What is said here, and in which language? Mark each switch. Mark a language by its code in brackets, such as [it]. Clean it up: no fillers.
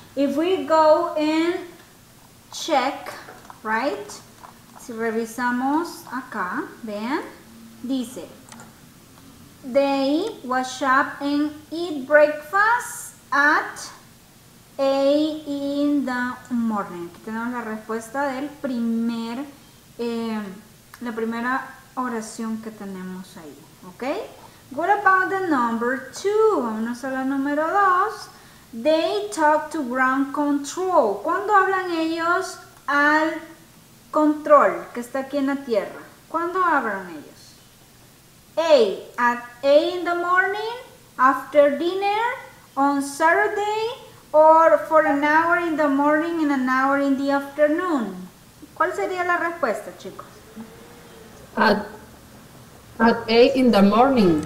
[en] If we go and check, right? [es] Si revisamos acá, vean, dice, [en] They wash up and eat breakfast at 8 in the morning. [es] Aquí tenemos la respuesta del primer, la primera oración que tenemos ahí, ¿ok? [en] What about the number two? [es] Vamos a la número dos. [en] They talk to ground control. [es] ¿Cuándo hablan ellos al control que está aquí en la tierra? ¿Cuándo hablan ellos? A. [en] At 8 in the morning, after dinner, on Saturday, or for an hour in the morning and an hour in the afternoon. [es] ¿Cuál sería la respuesta, chicos? [en] At 8 in the morning.